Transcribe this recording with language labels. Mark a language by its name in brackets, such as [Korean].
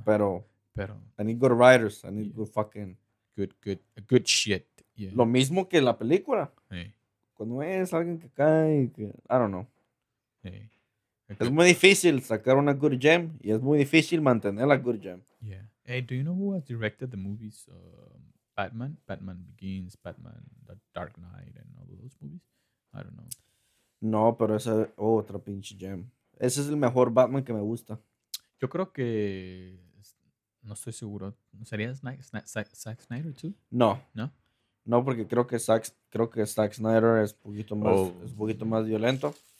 [Spanish] Pero... Pero, [English] I need good writers. I need yeah. good fucking... Good shit. Yeah. [Spanish] Lo mismo que la película. [English] Hey. [Spanish] Cuando es alguien que cae... Que, [English] I don't know. Hey. [Spanish] Es good, muy difícil sacar una [English] good gem. [Spanish] Y es muy difícil mantener la good gem. [English] Yeah. Hey, do you know who has directed the movies? Batman? Batman Begins, Batman The Dark Knight, and all those movies? I don't know. [Spanish] No, pero esa oh, otra pinche gem. Ese es el mejor Batman que me gusta. Yo creo que... No estoy seguro. ¿Sería Zack Snyder too? No. ¿No? No, porque creo que Zack Snyder es poquito más, oh. es poquito más violento.